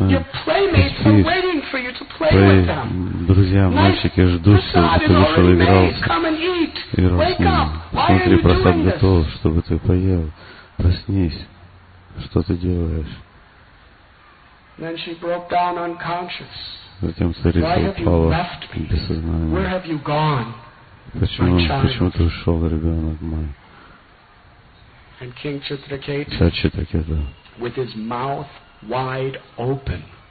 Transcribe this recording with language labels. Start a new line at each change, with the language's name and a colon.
English: Your playmates are waiting for you to play with them.
Russian: Мальчики ждут, чтобы ты играл.
English: Wake up. Why are you doing this?
Russian: Чтобы ты поел. Проснись. Что ты делаешь?
English: Then she broke down unconscious.
Russian: Затем Сариса упала без сознания.
English: Where have you gone?
Russian: Почему ты ушел, ребенок мой?
English: And King Chitraketa, with his mouth wide open,